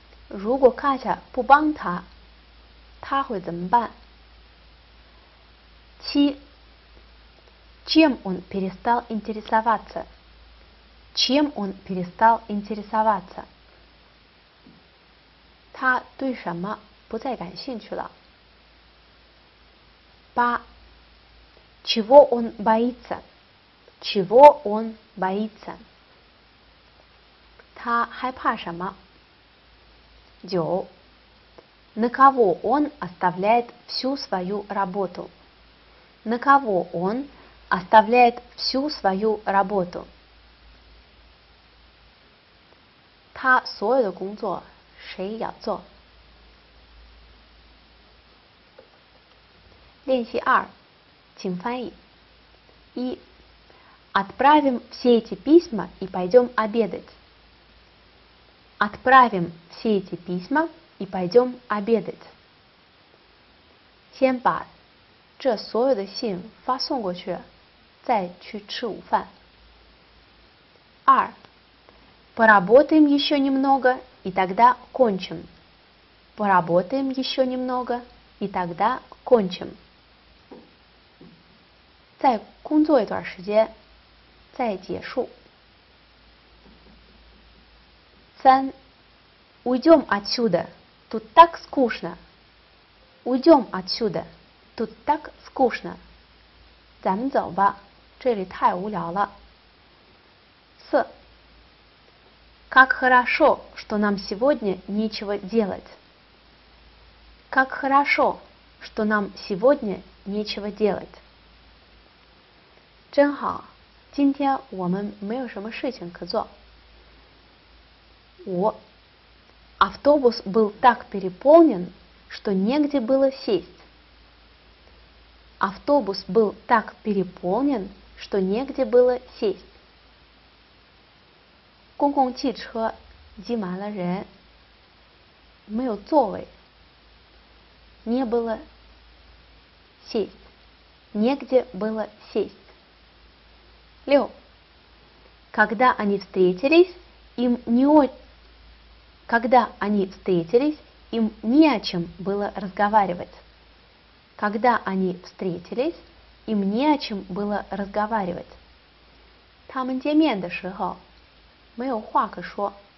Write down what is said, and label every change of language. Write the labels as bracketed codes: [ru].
[ru] Руго Катя пубанта, та хуй дзэмбан. 7. Чем он перестал интересоваться? Чем он перестал интересоваться? [zh] 他对什么不再感兴趣了? [ru] 八.Чего он боится? Чего он боится? [zh] 他害怕什么? 九. [ru] На кого он оставляет всю свою работу? На кого он оставляет всю свою работу? [zh] 他所有的工作谁要做? 练习 2. 请翻译.一. [ru] Отправим все эти письма и пойдем обедать. Отправим все эти письма и пойдем обедать. [zh] 先把这所有的信发送过去, 再去吃午饭. 二. [ru] Поработаем еще немного, и тогда кончим. Поработаем еще немного, и тогда кончим. [zh] 再工作一段时间, 再结束. 三. [ru] Уйдем отсюда, тут так скучно. Уйдем отсюда, тут так скучно. [zh] 咱们走吧, 这里太无聊了. 四. [ru] Как хорошо, что нам сегодня нечего делать. Как хорошо, что нам сегодня нечего делать. [zh] 真好, 今天我们没有什么事情可做. 五. [ru] Автобус был так переполнен, что негде было сесть. Автобус был так переполнен, что негде было сесть. [zh] 公共汽车挤满了人.没有座位. [ru] Не было сесть. Негде было сесть. [zh] 六. [ru] Когда они встретились, им не очень. Когда они встретились, им не о чем было разговаривать. Когда они встретились, им не о чем было разговаривать. [zh] 他们见面的时候, 没有话可说.